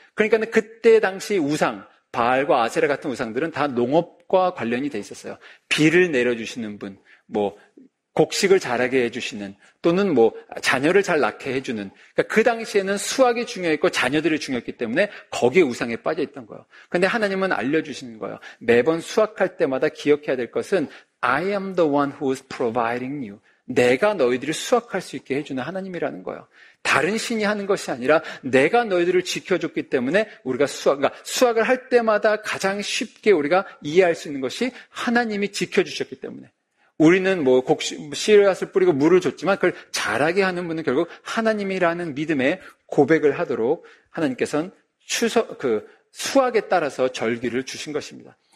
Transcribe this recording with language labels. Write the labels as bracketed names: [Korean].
[Korean] 그러니까 그때 당시 우상, 바알과 아세라 같은 우상들은 다 농업과 관련이 돼 있었어요. 비를 내려주시는 분, 뭐 곡식을 자라게 해주시는, 또는 뭐 자녀를 잘 낳게 해주는. 그러니까 그 당시에는 수확이 중요했고 자녀들이 중요했기 때문에 거기에 우상에 빠져있던 거예요. 그런데 하나님은 알려주시는 거예요. 매번 수확할 때마다 기억해야 될 것은 [English] I am the one who is providing you. [Korean] 내가 너희들을 수확할 수 있게 해주는 하나님이라는 거예요. 다른 신이 하는 것이 아니라 내가 너희들을 지켜줬기 때문에 우리가 수확을 할 때마다 가장 쉽게 우리가 이해할 수 있는 것이 하나님이 지켜주셨기 때문에 우리는 뭐 씨앗을 뿌리고 물을 줬지만 그걸 자라게 하는 분은 결국 하나님이라는 믿음의 고백을 하도록 하나님께서는 수확에 따라서 절기를 주신 것입니다.